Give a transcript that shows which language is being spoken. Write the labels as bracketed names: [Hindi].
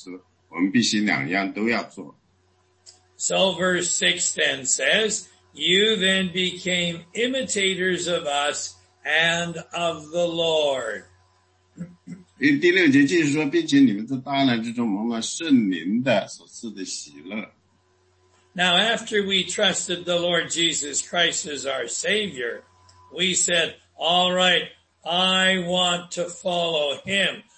[Chinese] 另一个方式呢，就是去引导其他的人以正确的方式来跟随主耶稣。我们必须两样都要做。 [English] So verse 6 then says, you then became imitators of us and of the Lord. [Chinese] 第六节继续说,并且你们在大难之中蒙了圣灵的所赐的喜乐。 [English] Now after we trusted the Lord Jesus Christ as our Savior, we said, all right, I want to follow Him.